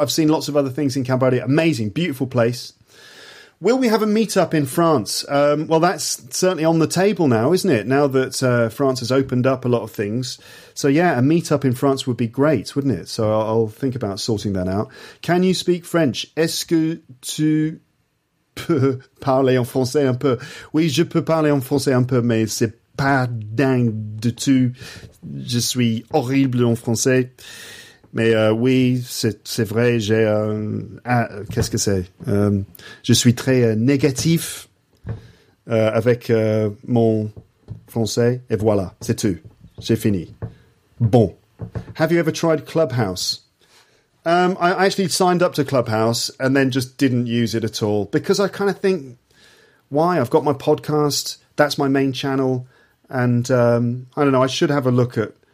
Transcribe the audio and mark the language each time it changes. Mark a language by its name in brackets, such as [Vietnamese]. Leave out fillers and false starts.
[English] I've seen lots of other things in Cambodia. Amazing, beautiful place. Will we have a meetup in France? Well, that's certainly on the table now, isn't it? Now that France has opened up a lot of things. So, yeah, a meetup in France would be great, wouldn't it? So I'll think about sorting that out. Can you speak French? [French] Est-ce que tu peux parler en français un peu? Oui, je peux parler en français un peu, mais c'est pas dingue du tout. Je suis horrible en français. Mais oui, c'est vrai, j'ai un... Ah, qu'est-ce que c'est? Je suis très négatif avec mon français. Et voilà, c'est tout. J'ai fini. Bon. [English] Have you ever tried Clubhouse? I actually signed up to Clubhouse and then just didn't use it at all. Because I kind of think, why? I've got my podcast. That's my main channel. And I don't know, I should have a look at...